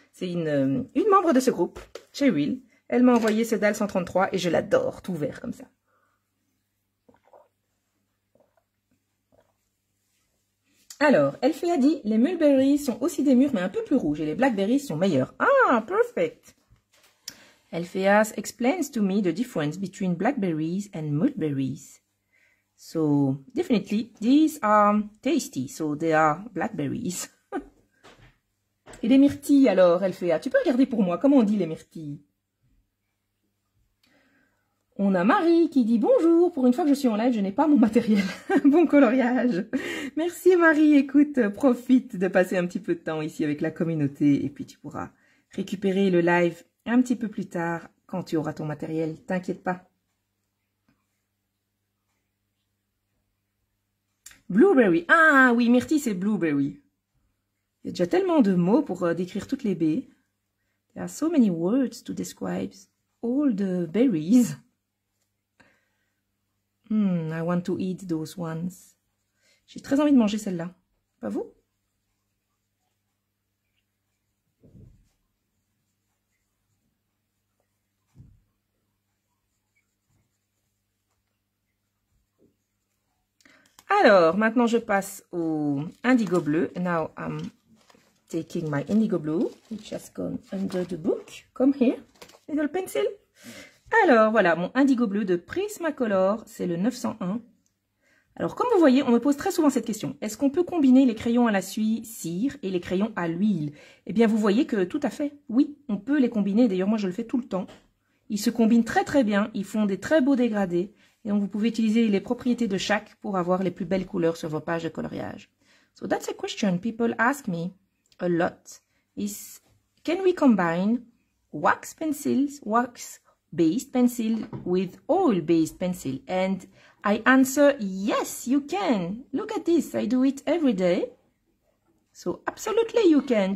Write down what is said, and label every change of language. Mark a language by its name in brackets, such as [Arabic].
[French] C'est une membre de ce groupe, chez Will. Elle m'a envoyé ce dalle 133 et je l'adore, tout vert comme ça. Alors, Elfie a dit, les mulberries sont aussi des mûres, mais un peu plus rouges et les blackberries sont meilleures. [English] Ah, perfect. Elfie explains to me the difference between blackberries and mulberries. So, definitely, these are tasty, so they are blackberries. [French] Et les myrtilles alors, Elfea, tu peux regarder pour moi, comment on dit les myrtilles? On a Marie qui dit, bonjour, pour une fois que je suis en live, je n'ai pas mon matériel. Bon coloriage. Merci Marie, écoute, profite de passer un petit peu de temps ici avec la communauté, et puis tu pourras récupérer le live un petit peu plus tard, quand tu auras ton matériel, t'inquiète pas. Blueberry. Ah oui, myrtille, c'est blueberry. Il y a déjà tellement de mots pour décrire toutes les baies. [English] There are so many words to describe all the berries. I want to eat those ones. [French] J'ai très envie de manger celle-là. Pas vous? Alors, maintenant je passe au indigo bleu. [English] Now I'm taking my indigo blue, which has gone under the book. Come here, little pencil. [French] Alors, voilà, mon indigo bleu de Prismacolor, c'est le 901. Alors, comme vous voyez, on me pose très souvent cette question. Est-ce qu'on peut combiner les crayons à la suie cire et les crayons à l'huile? Eh bien, vous voyez que tout à fait, oui, on peut les combiner. D'ailleurs, moi, je le fais tout le temps. Ils se combinent très, très bien. Ils font des très beaux dégradés. Et donc, vous pouvez utiliser les propriétés de chaque pour avoir les plus belles couleurs sur vos pages de coloriage. [English] So, that's a question people ask me a lot. Is, can we combine wax pencils, wax-based pencil with oil-based pencil? And I answer, yes, you can. Look at this, I do it every day. So, absolutely, you can.